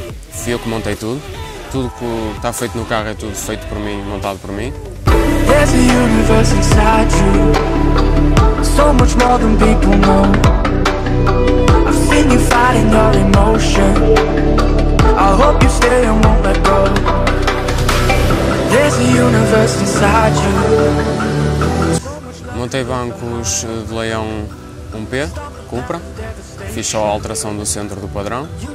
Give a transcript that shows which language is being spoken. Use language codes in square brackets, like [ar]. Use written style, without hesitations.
[pt] Fui eu que montei tudo. Tudo que está feito no carro é tudo feito por mim, montado por mim. [en] There's a universe inside you, so much more than people know. I've seen you fighting your emotion. I hope you stay and won't let go. There's a universe inside you. [pt] Montei bancos de leão 1P, Cupra, fiz só a alteração do centro do padrão.